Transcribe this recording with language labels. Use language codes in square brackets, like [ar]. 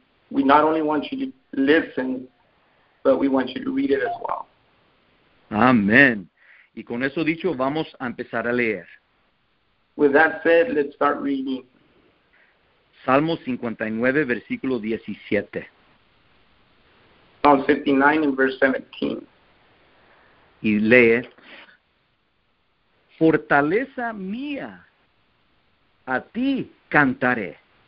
[en] We not only want you to listen, but we want you to read it as well. Amen. [es] Y con eso dicho, vamos a empezar a leer. [en] With that said, let's start reading. [es] Salmo 59, versículo 17. [en] Psalm 59, and verse 17. [es] Y lee: Fortaleza mía, a ti cantaré.